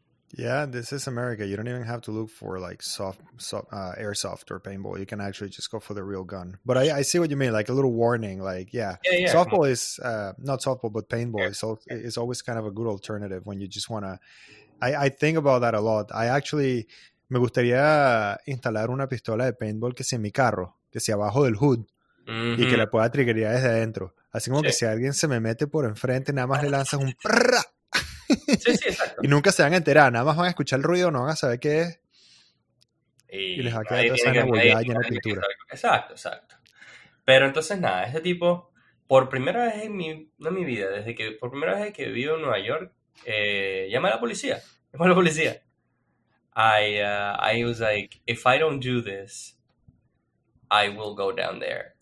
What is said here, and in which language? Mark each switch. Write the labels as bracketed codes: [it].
[en] Yeah, this is America. You don't even have to look for like airsoft or paintball. You can actually just go for the real gun. But I see what you mean, like a little warning. Like, softball is not softball, but paintball is always kind of a good alternative when you just want to. I think about that a lot. I actually, [es] me gustaría instalar una pistola de paintball que sea en mi carro, que sea abajo del hood, y que la pueda triggerar desde adentro. Así como que si alguien se me mete por enfrente, nada más le lanzas un prrrra. Sí, y nunca se van a enterar, nada más van a escuchar el ruido, no van a saber qué es. Y les va a quedar toda esa nebulidad llena de pintura. Exacto, exacto. Pero entonces, nada, este tipo, por primera vez en mi vida, desde que por primera vez que he vivido en Nueva York, llama a la policía. [en] I was like, if I don't do this, I will go down there.